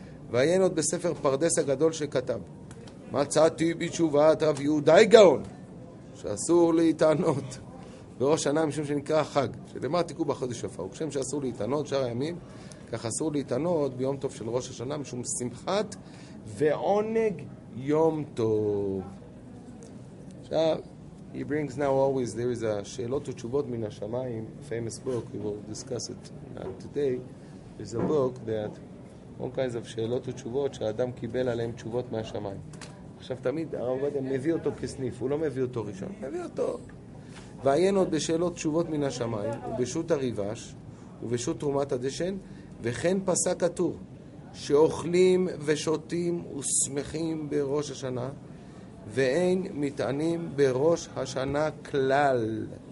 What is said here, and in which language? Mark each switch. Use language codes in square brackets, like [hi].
[he] ועיין עוד בספר פרדס הגדול שכתב, מצאתי בתשובת רב יהודאי גאון, שאסור להתענות בראש שנה משום שנקרא חג, שלמה תיקו בחודש יפה, וכשם שאסור להתענות שאר הימים, כך אסור להתענות ביום טוב של ראש השנה משום שמחת ועונג יום טוב. [en] עכשיו, he brings now always, there is a Shelot Tshuvot Min HaShamayim, a famous book, we will discuss it today. There's a book that all kinds of Shelot Tshuvot [he] שהאדם קיבל עליהם תשובות מהשמיים. עכשיו תמיד הרב עובדיה מביא אותו כסניף, הוא לא מביא אותו ראשון, מביא אותו. ועיין עוד בשאלות תשובות מן השמיים, ובשוט הריבש, ובשוט תרומת הדשן, וכן פסק הטור, שאוכלים ושותים ושמחים בראש השנה, ואין מתענים בראש השנה כלל.